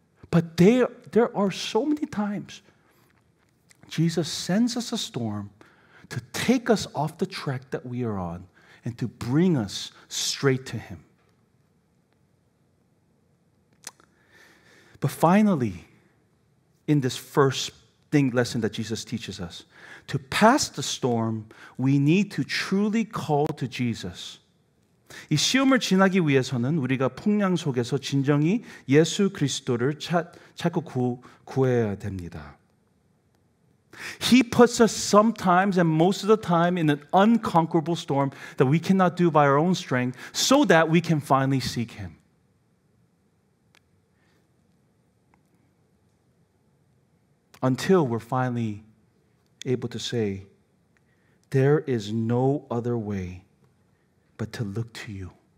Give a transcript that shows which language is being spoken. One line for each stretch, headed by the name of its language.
English: But there are so many times Jesus sends us a storm to take us off the track that we are on and to bring us straight to him. But finally, in this first thing lesson that Jesus teaches us, to pass the storm, we need to truly call to Jesus.
Korean: 이 시험을 지나기 위해서는 우리가 풍랑 속에서 진정히 예수 그리스도를 찾고 구해야 됩니다.
English: He puts us sometimes and most of the time in an unconquerable storm that we cannot do by our own strength so that we can finally seek him. 'Until we're finally able to say, there is no other way but to look to you.